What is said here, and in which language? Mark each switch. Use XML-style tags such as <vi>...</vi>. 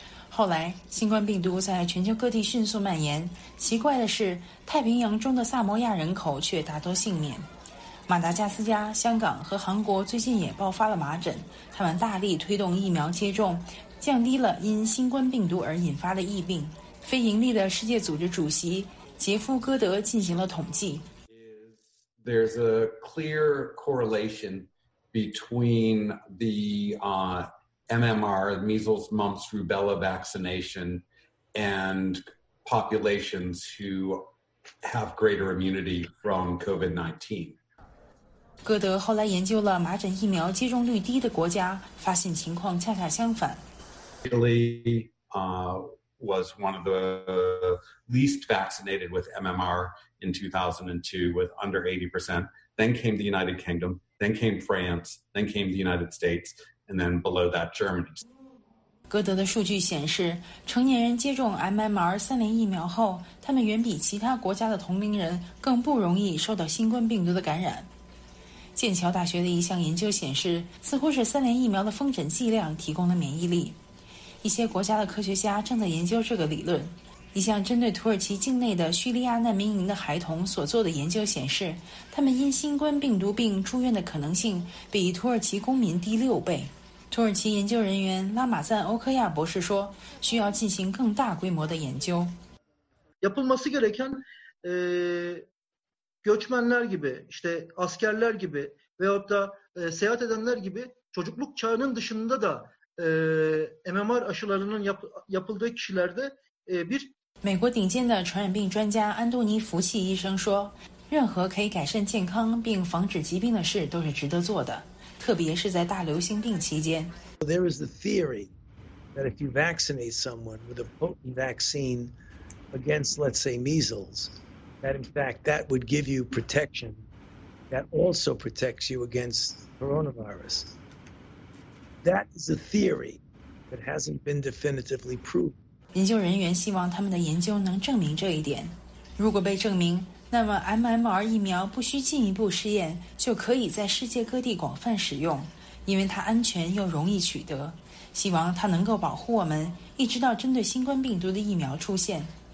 <zh>后来，新冠病毒在全球各地迅速蔓延。奇怪的是，太平洋中的萨摩亚人口却大多幸免。马达加斯加、香港和韩国最近也爆发了麻疹，他们大力推动疫苗接种，降低了因新冠病毒而引发的疫病。非营利的世界组织主席杰夫·戈德进行了统计。</zh> <en>There's a clear correlation between the MMR, measles, mumps, rubella vaccination, and populations who have greater immunity from COVID-19.</en> <zh>戈德后来研究了麻疹疫苗接种率低的国家，发现情况恰恰相反。</zh> <en>Italy was one of the least vaccinated with MMR in 2002, with under 80%. Then came the United Kingdom, then came France, then came the United States. And then below that, Germany.</en> <zh>戈德的数据显示，成年人接种 MMR 三联疫苗后，他们远比其他国家的同龄人更不容易受到新冠病毒的感染。剑桥大学的一项研究显示，似乎是三联疫苗的风疹剂量提供了免疫力。一些国家的科学家正在研究这个理论。一项针对土耳其境内的叙利亚难民营的孩童所做的研究显示，他们因新冠病毒病住院的可能性比土耳其公民低6倍。土耳其研究人员拉马赞·欧克亚博士说，需要进行更大规模的研究。</zh> <tr>Yapılması gereken göçmenler gibi, işte askerler gibi veyahut da seyahat edenler gibi çocukluk çağının dışında da MMR aşılarının yapıldığı kişilerde bir</tr> <zh>美国顶尖的传染病专家安东尼·福奇医生说，任何可以改善健康并防止疾病的事都是值得做的，特别是在大流行病期间。</zh> <en>There is the theory that if you vaccinate someone with a potent vaccine against, let's say, measles, that in fact that would give you protection that also protects you against coronavirus. That is a theory that hasn't been definitively proven.</en> <zh>研究人员希望他们的研究能证明这一点。如果被证明，那么 MMR 疫苗不需进一步试验就可以在世界各地广泛使用，因为它安全又容易取得，希望它能够保护我们一直到针对新冠病毒的疫苗出现。</zh>